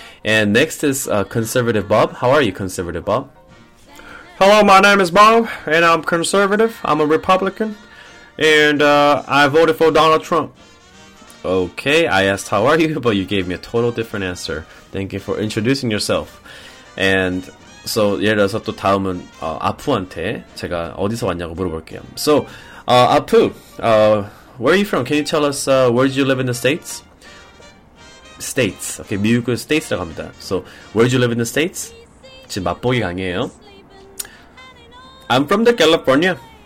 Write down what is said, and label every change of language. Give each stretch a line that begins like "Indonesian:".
English: And next is Conservative Bob. How are you, Conservative Bob? Hello, my name is Bob and I'm conservative. I'm a Republican. And I voted for Donald Trump. Okay, I asked how are you, but you gave me a total different answer. Thank you for introducing yourself. And so
Korean: 예를 들어서 또 다음은 아푸한테 제가 어디서 왔냐고 물어볼게요.
English: So, Apu, where are you from? Can you tell us where do you live in the States? States. Okay,
Korean: 미국은 States라고 합니다.
English: So, where do you live in the States?
Korean: 지금 맛보기 강의예요.
English: I'm from the California.